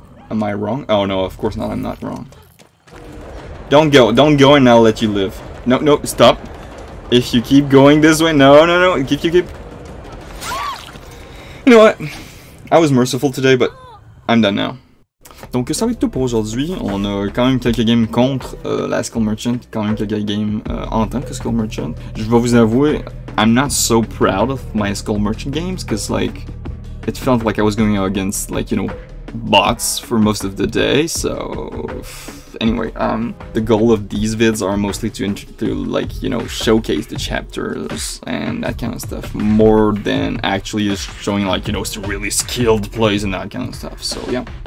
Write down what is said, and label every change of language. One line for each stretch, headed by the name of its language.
English: Am I wrong? Oh no, of course not, I'm not wrong. Don't go, and I'll let you live. No, stop. If you keep going this way, no, keep. You know what? I was merciful today, but I'm done now.
French: Donc ça va être tout pour aujourd'hui, on a quand même quelques games contre la Skull Merchant, quand même quelques games en tant que Skull Merchant. Je vais vous avouer,
English: I'm not so proud of my Skull Merchant games, cause like, it felt like I was going against, like, you know, bots for most of the day, so... Anyway, the goal of these vids are mostly to like, you know, showcase the chapters and that kind of stuff more than actually just showing, like, you know, some really skilled plays and that kind of stuff, so yeah.